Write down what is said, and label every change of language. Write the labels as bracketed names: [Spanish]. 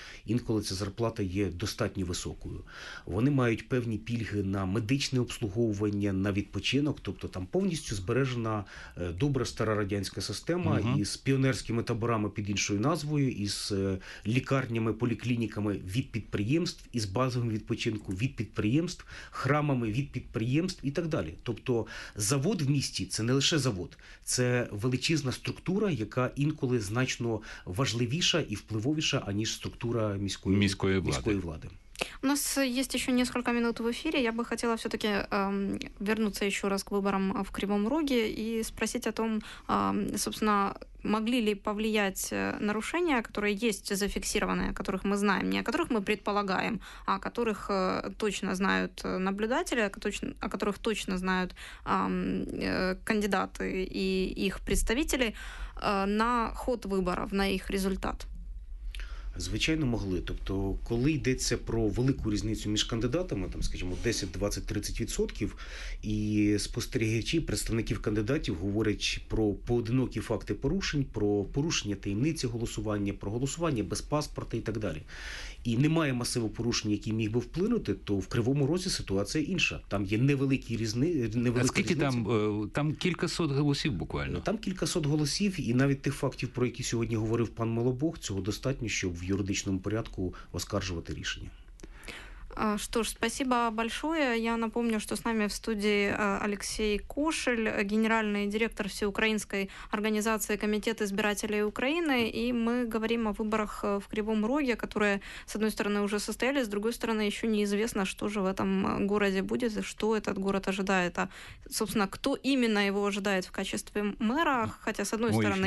[Ukrainian] Інколи ця зарплата є достатньо високою. Вони мають певні пільги на медичне обслуговування, на відпочинок, тобто там повністю збережена добра стара радянська система із піонерськими таборами під іншою назвою, із лікарнями, поліклініками від підприємств, із базовим відпочинку від підприємств, храмами від підприємств і так далі. Тобто завод в місті – це не лише завод, це величезна структура, яка інколи значно важливіша і впливовіша, аніж структура міської влади. У нас є ще кілька хвилин в ефірі. Я би хотіла все-таки вернутися ще раз к виборам в Кривому Розі і [Russian] спросити о том, собственно, могли ли повлиять нарушения, которые есть зафиксированные, о которых мы знаем, не о которых мы предполагаем, а о которых точно знают наблюдатели, о которых точно знают кандидаты и их представители, на ход выборов, на их результат? [Ukrainian] Звичайно, могли. Тобто, коли йдеться про велику різницю між кандидатами, там, скажімо, 10-20-30%, і спостерігачі, представників кандидатів говорять про поодинокі факти порушень, про порушення таємниці голосування, про голосування без паспорта і так далі, і немає масиву порушень, який міг би вплинути, то в Кривому Розі ситуація інша. Там є невеликі невелика різниця. А скільки там кількасот голосів буквально? Там кількасот голосів, і навіть тих фактів, про які сьогодні говорив пан Малобог, цього достатньо, щоб в юридичному порядку оскаржувати рішення. [Russian] Что ж, спасибо большое. Я напомню, что с нами в студии Алексей Кошель, генеральный директор Всеукраинской организации Комитета избирателей Украины, и мы говорим о выборах в Кривом Роге, которые, с одной стороны, уже состоялись, с другой стороны, еще неизвестно, что же в этом городе будет, что этот город ожидает, а, собственно, кто именно его ожидает в качестве мэра, хотя, с одной стороны,